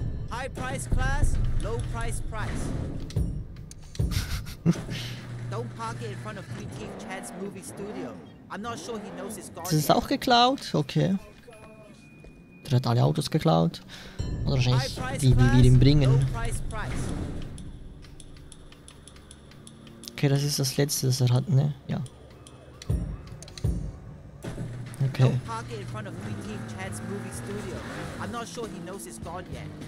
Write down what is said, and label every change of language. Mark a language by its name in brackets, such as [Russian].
[English] High price class, low price price. Don't park it in front of 3T Chad's movie studio. I'm not sure he knows it's gone. [German] Das ist auch geklaut? Okay. Der hat alle Autos geklaut. Oder wahrscheinlich die, die wir ihm bringen. Okay, das ist das letzte, das er hat, ne? Ja. Okay. [English] Don't park it in front of 3T Chad's movie studio. I'm not sure he knows it's gone yet.